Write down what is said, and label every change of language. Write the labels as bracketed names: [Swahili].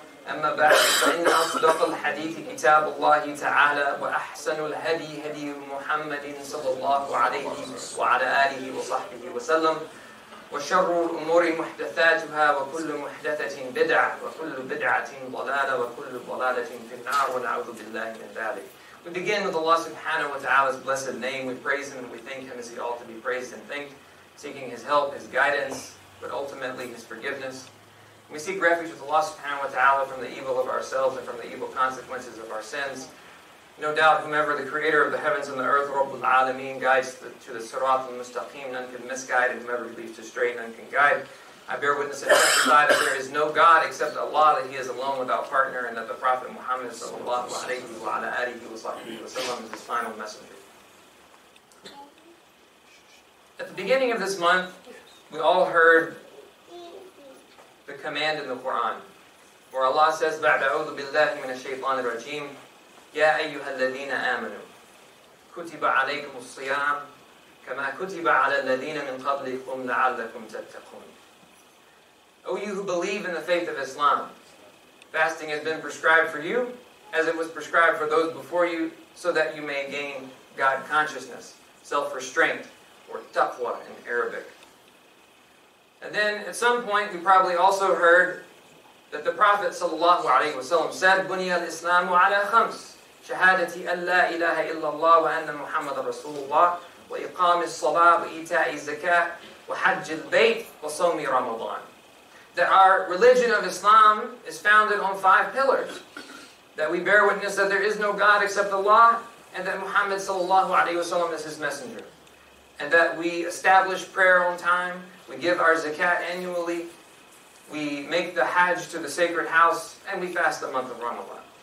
[Arabic] أما بعد فإن أصدق الحديث كتاب الله تعالى وأحسن الهدي هدي محمد صلى الله عليه وعلى آله وصحبه وسلم وشر الأمور محدثاتها وكل محدثة بدعة وكل بدعة ضلالة وكل ضلالة في النار ونعوذ بالله من ذلك. [English] We begin with Allah subhanahu wa ta'ala's blessed name. We praise Him and we thank Him as He ought to be praised and thanked, seeking His help, His guidance, but ultimately His forgiveness. We seek refuge with Allah subhanahu wa ta'ala from the evil of ourselves and from the evil consequences of our sins. No doubt, whomever the creator of the heavens and the earth, Rabbul Alameen, guides to the Sirat al-Mustaqim, none can misguide, and whomever leads to straight, none can guide. I bear witness and testify that there is no God except Allah, that He is alone without partner, and that the Prophet Muhammad sallallahu alayhi wa ala alihi wa sallam is His final messenger. At the beginning of this month, we all heard the command in the Quran, where Allah says, [Arabic] بَعْدَ أَعُوذُ بِاللَّهِ مِنَ الشَّيْطَانِ الرَّجِيمِ يا أيها الذين آمنوا كتب عليكم الصيام كما كتب على الذين من قبلكم لعلكم تتقون. [English] O you who believe in the faith of Islam, fasting has been prescribed for you as it was prescribed for those before you so that you may gain God consciousness, self-restraint, or taqwa in Arabic. And then at some point you probably also heard that the Prophet sallallahu alaihi wasallam said, [Arabic] Bunya al-Islamu ala khams. شهادتي أن لا إله إلا الله وأن محمد رسول الله وإقام الصلاة وإيتاء الزكاة وحج البيت وصوم رمضان. [English] That our religion of Islam is founded on five pillars. That we bear witness that there is no God except Allah and that Muhammad [Arabic] صلى الله عليه وسلم [English] is His messenger. And that we establish prayer on time, we give our zakat annually, we make the hajj to the sacred house, and we fast the month of Ramadan.